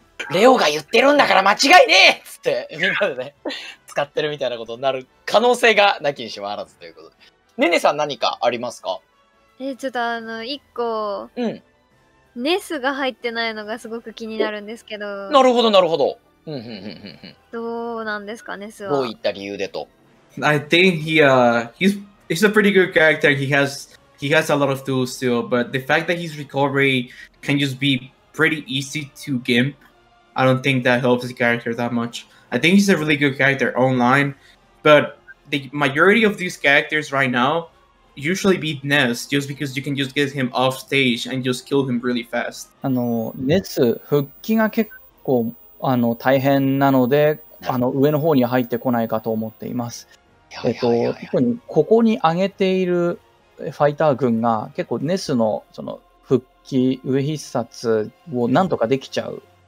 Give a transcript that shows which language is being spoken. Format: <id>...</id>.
<ja>レオが言ってるんだから間違いねえつってみんなでね使ってるみたいなことになる可能性がなきにしもあらずということで、ねねさん何かありますか？ちょっとあの一個、うん、ネスが入ってないのがすごく気になるんですけど。なるほどなるほど。どうなんですかネスは。どういった理由でと。</ja> <en>I think he's a pretty good character. He has a lot of tools still, but the fact that his recovery can just be pretty easy to gimp. I don't think that helps the character that much. I think he's a really good character online, but the majority of these characters right now usually beat Ness just because you can just get him off stage and just kill him really fast.</en> <ja>あの、ネス復帰が結構あの大変なので、あの上の方に入ってこないかと思っています。特にここに挙げているファイター軍が結構ネスのその復帰上必殺をなんとかできちゃう。</ja>